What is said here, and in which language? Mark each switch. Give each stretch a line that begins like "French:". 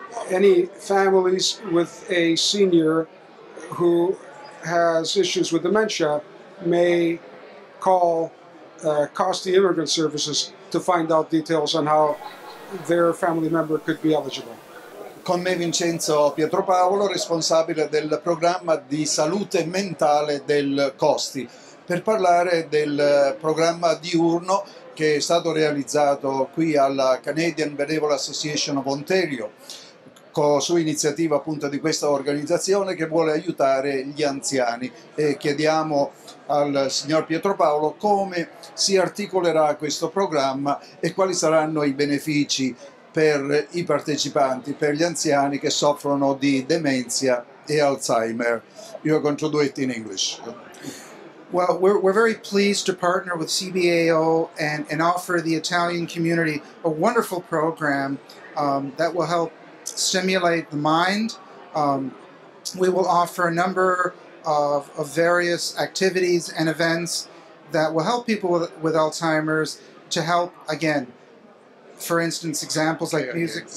English: Any families with a senior who has issues with dementia may call Costi Immigrant Services to find out details on how their family member could be eligible.
Italian: Con me Vincenzo Pietro Paolo, responsabile del programma di salute mentale del Costi, per parlare del programma diurno che è stato realizzato qui alla Canadian Benevolent Association of Ontario, su iniziativa appunto di questa organizzazione che vuole aiutare gli anziani. E chiediamo al signor Pietro Paolo come si articolerà questo programma e quali saranno i benefici per i partecipanti, per gli anziani che soffrono di demenza e Alzheimer.
English: You are going to do it in English. Well, we're very pleased to partner with CBAO and offer the Italian community a wonderful program that will help stimulate the mind. We will offer a number of various activities and events that will help people with Alzheimer's to help, again, for instance, examples like music.